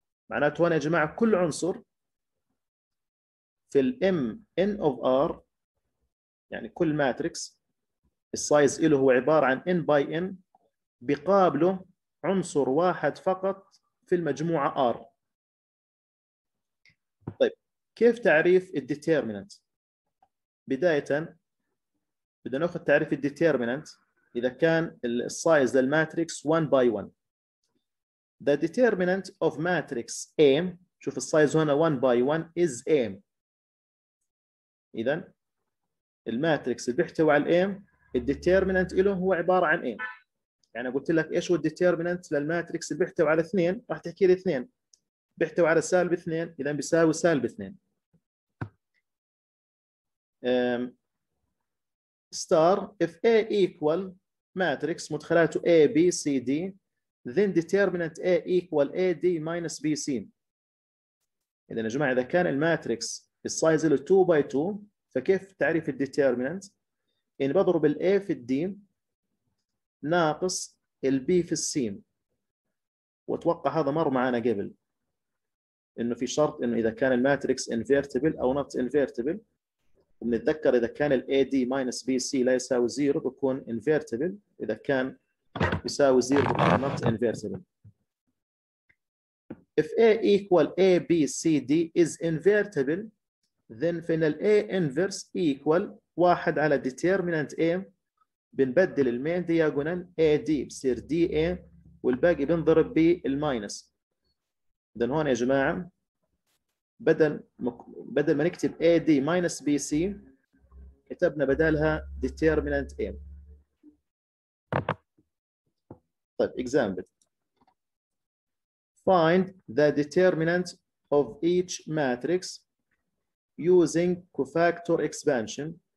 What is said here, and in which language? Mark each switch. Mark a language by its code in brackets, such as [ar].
[ar] معناته هنا يا جماعة كل عنصر في الـ M N of R، يعني كل matrix السايز إله هو عبارة عن N by N، بقابله عنصر واحد فقط في المجموعة R. كيف تعريف الديتيرمينانت؟ بداية بدنا ناخذ تعريف الديتيرمينانت إذا كان السايز للماتريكس 1 by 1. [en] The determinant of matrix A، [ar] شوف السايز هنا [en] 1 by 1 is A. [ar] إذا الماتريكس اللي بيحتوي على A الديتيرمينانت له هو عبارة عن A. يعني قلت لك إيش هو الديتيرمينانت للماتريكس اللي بيحتوي على 2، راح تحكي لي 2 بيحتوي على سالب 2، إذا بيساوي سالب 2. [en] star if A equal matrix [ar] مدخلاته [en] A B C D then determinant A equal A D minus B C. [ar] إذا يا جماعة إذا كان الماتريكس السايز له 2 by 2 فكيف تعريف الديتيرمينانت؟ يعني بضرب الـ A في الـ D ناقص البي في السين. واتوقع هذا مر معنا قبل، انه في شرط انه اذا كان الماتريكس انفيرتبل او نوت انفيرتبل، وبنتذكر اذا كان الاي دي ماينس بي سي لا يساوي زيرو بكون انفيرتبل، اذا كان يساوي زيرو بكون نوت انفيرتبل. [en] If A equal A B C D is invertible, then final A inverse equal 1 [ar] على [en] determinant A، [ar] بنبدل المين دياجونال A D بصير D A، والباقي بنضرب بالماينس. إذن هون يا جماعة بدل ما نكتب A D minus B C كتبنا بدالها determinant A. طيب example. [en] Find the determinant of each matrix using cofactor expansion.